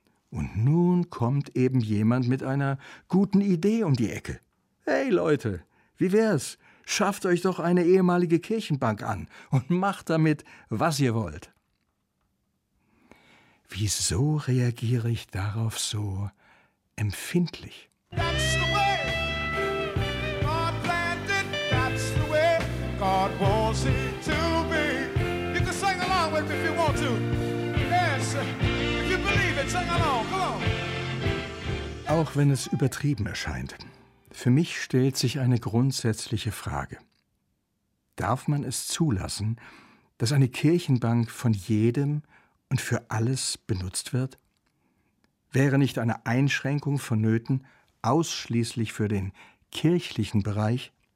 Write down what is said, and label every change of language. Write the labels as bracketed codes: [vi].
[de] Und nun kommt eben jemand mit einer guten Idee um die Ecke. Hey Leute, wie wär's? Schafft euch doch eine ehemalige Kirchenbank an und macht damit, was ihr wollt. Wieso reagiere ich darauf so empfindlich? [en] That's the way God planned it. That's the way God wants it to be. You can sing along with me if you want to. Yes, if you believe it, sing along. Come on. [de] Auch wenn es übertrieben erscheint, für mich stellt sich eine grundsätzliche Frage. Darf man es zulassen, dass eine Kirchenbank von jedem und für alles benutzt wird? Wäre nicht eine Einschränkung vonnöten, ausschließlich für den kirchlichen Bereich?